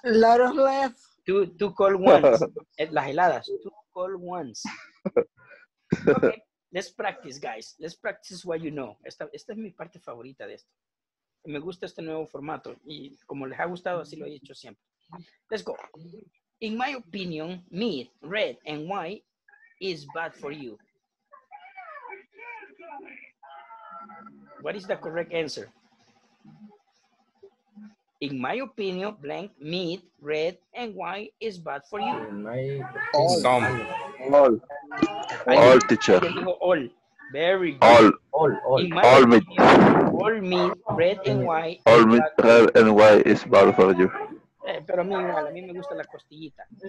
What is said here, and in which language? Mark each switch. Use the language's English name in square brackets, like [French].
[English] Lot of left. Two cold ones. [Spanish] Las heladas. [English] Two cold ones. Okay, let's practice, guys. Let's practice what you know. [Spanish] Esta es mi parte favorita de esto. Me gusta este nuevo formato y como les ha gustado, así lo he hecho siempre. [English] Let's go. In my opinion, meat, red and white is bad for you. What is the correct answer? In my opinion, blank, meat, red and white is bad for you. All teacher. All. Very good. All meat, red and white. All meat, red and white is bad for you. [Spanish] Pero a mí igual, a mí me gusta la costillita.